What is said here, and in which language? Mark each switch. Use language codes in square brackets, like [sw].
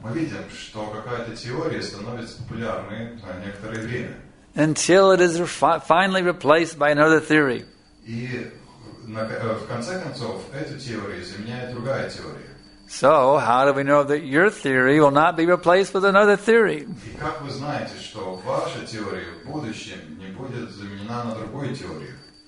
[ru] Мы видим, что какая-то теория становится популярной на некоторое время. [en] Until it is finally replaced by another theory. [ru] И в конце концов эту теорию заменяет другая теория. [en] So how do we know that your theory will not be replaced with another theory? [ru] И как вы знаете, что ваша теория в будущем не будет заменена на другую теорию?